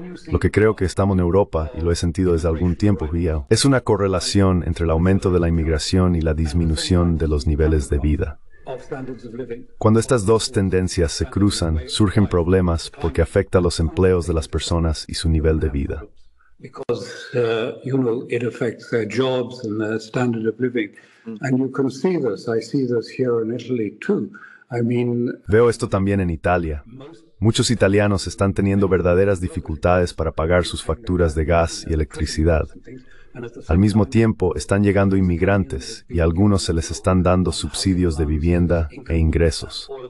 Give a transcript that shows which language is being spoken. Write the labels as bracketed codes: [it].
[es] Lo que creo que estamos en Europa, y lo he sentido desde algún tiempo, Guillaume, es una correlación entre el aumento de la inmigración y la disminución de los niveles de vida. Cuando estas dos tendencias se cruzan, surgen problemas porque afecta los empleos de las personas y su nivel de vida. [en] It affects their jobs and their standard of living. And you can see this. I see this here in Italy too. [es] Veo esto también en Italia. Muchos italianos están teniendo verdaderas dificultades para pagar sus facturas de gas y electricidad. Al mismo tiempo, están llegando inmigrantes y a algunos se les están dando subsidios de vivienda e ingresos.